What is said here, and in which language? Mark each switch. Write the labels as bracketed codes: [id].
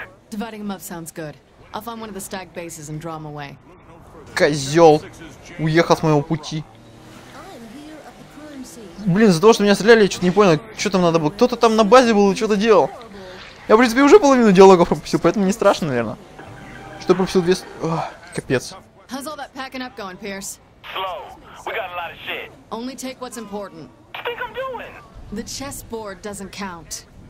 [en] Dividing them up sounds good. I'll find one of the stag bases and draw them away. [ru] Козёл уехал с моего пути. Блин, за то, что меня стреляли, я что-то не понял, что там надо было. Кто-то там на базе был и что-то делал. Я, в принципе, уже половину диалогов пропустил, поэтому не страшно, наверное. Что пропустил вес? Капец. [en] How's all that packing up going, Pierce? Slow. We got a lot of shit. Only take what's important. What do you think I'm doing? The chessboard doesn't count.